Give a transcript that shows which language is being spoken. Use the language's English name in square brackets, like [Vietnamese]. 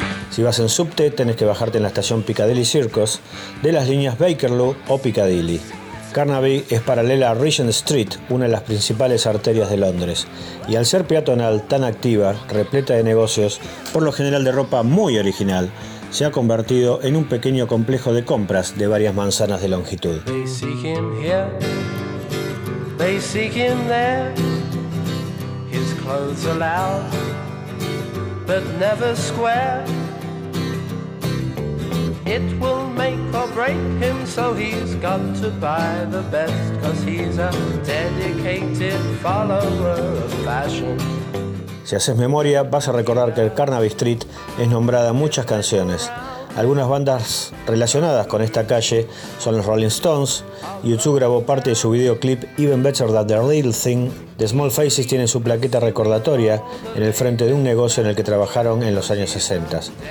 [Spanish] Si vas en subte, tenés que bajarte en la estación Piccadilly Circus de las líneas Bakerloo o Piccadilly. Carnaby es paralela a Regent Street, una de las principales arterias de Londres. Y al ser peatonal, tan activa, repleta de negocios, por lo general de ropa muy original, se ha convertido en un pequeño complejo de compras de varias manzanas de longitud. [English] They seek him here, they seek him there. His clothes are loud, but never square. It will make or break him, so he's got to buy the best, 'cause he's a dedicated follower of fashion. [Spanish] Si haces memoria, vas a recordar que el Carnaby Street es nombrada en muchas canciones. Algunas bandas relacionadas con esta calle son los Rolling Stones. U2 grabó parte de su videoclip Even Better Than The Real Thing. The Small Faces tienen su plaqueta recordatoria en el frente de un negocio en el que trabajaron en los años 60.